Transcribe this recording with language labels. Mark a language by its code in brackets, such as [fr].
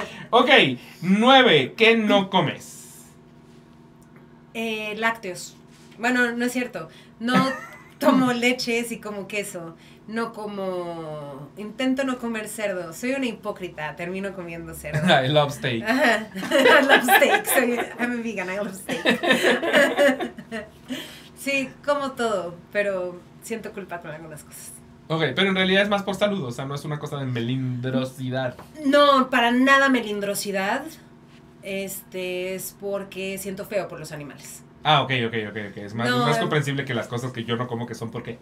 [es] Ok, 9, ¿qué no comes? Lácteos. Bueno, no es cierto, no tomo leche, sí como queso, no como, intento no comer cerdo, soy una hipócrita, termino comiendo cerdo. [en] I love steak. I love steak, I'm a vegan, I love steak. [es] Sí, como todo, pero siento culpa con algunas cosas. Ok, pero en realidad es más por salud, o sea, no es una cosa de melindrosidad. No, para nada melindrosidad, es porque siento feo por los animales. Ah, ok. Es más comprensible que las cosas que yo no como que son porque...